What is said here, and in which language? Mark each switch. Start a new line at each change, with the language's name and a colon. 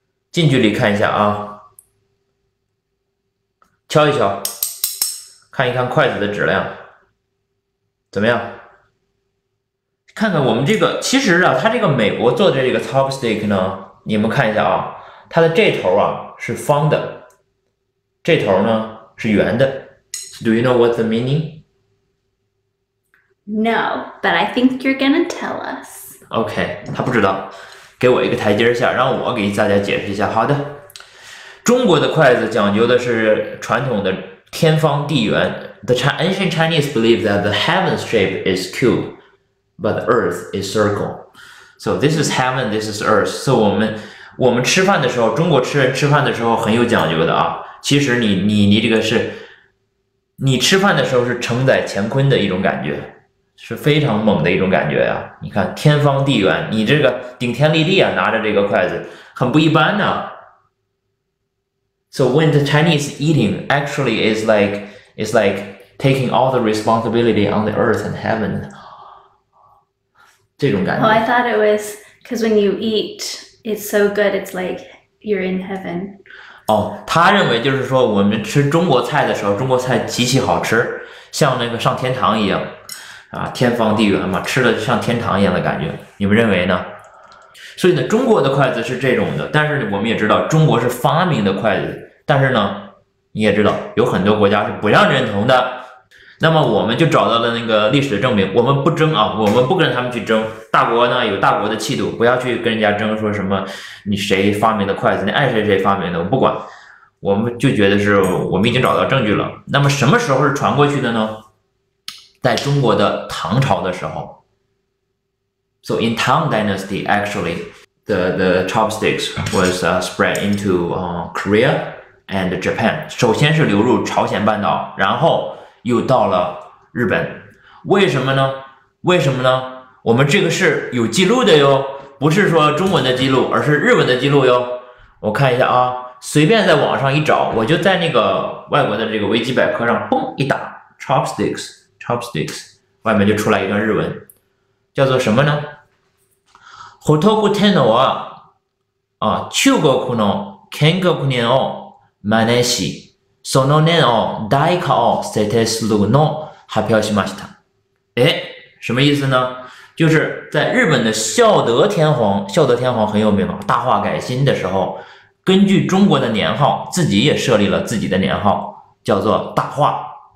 Chinese: 近距离看一下啊，敲一敲，看一看筷子的质量怎么样，看看我们这个，其实啊，它这个美国做的这个 chopstick 呢，你们看一下啊，它的这头啊是方的，这头呢是圆的。
English: Do you know what's the meaning? No, but I think you're gonna tell us.
Chinese: OK, 他不知道，给我一个台阶下，让我给大家解释一下。好的，中国的筷子讲究的是传统的天方地圆。
English: The ancient Chinese believe that the heaven shape is cube, but the earth is circle. So this is heaven, this is earth.
Chinese: So 我们吃饭的时候，中国吃人吃饭的时候很有讲究的啊。其实你这个是，你吃饭的时候是承载乾坤的一种感觉。是非常猛的一种感觉啊，你看天方地圆，你这个顶天立地啊，拿着这个筷子很不一般呢。
English: So when the Chinese eating actually is like taking all the responsibility on the earth and heaven,
Chinese: 这种感觉。
English: Well, I thought it was because when you eat It's so good. It's like you're in heaven.
Chinese: 哦，他认为就是说，我们吃中国菜的时候，中国菜极其好吃，像那个上天堂一样，啊，天方地圆嘛，吃的像天堂一样的感觉。你们认为呢？所以呢，中国的筷子是这种的，但是我们也知道，中国是发明的筷子，但是呢，你也知道，有很多国家是不让认同的。那么我们就找到了那个历史的证明，我们不争啊，我们不跟他们去争。大国呢有大国的气度，不要去跟人家争，说什么你谁发明的筷子，你爱谁谁发明的，我不管。我们就觉得是我们已经找到证据了。那么什么时候是传过去的呢？在中国的唐朝的时候。
English: So in Tang Dynasty, actually, the chopsticks was spread into Korea and Japan.
Chinese: 首先是流入朝鲜半岛，然后又到了日本，为什么呢？为什么呢？我们这个是有记录的哟，不是说中文的记录，而是日文的记录哟。我看一下啊，随便在网上一找，我就在那个外国的这个维基百科上，嘣一打 chopsticks，chopsticks，外面就出来一段日文，叫做什么呢？
Japanese: ホトコテノは、あ、中国の建国年を真似し、その年を大化を制定するのを発表しました。
Chinese: え、什么意思呢？就是在日本的孝德天皇很有名啊，大化改新的时候，根据中国的年号，自己也设立了自己的年号，叫做大化。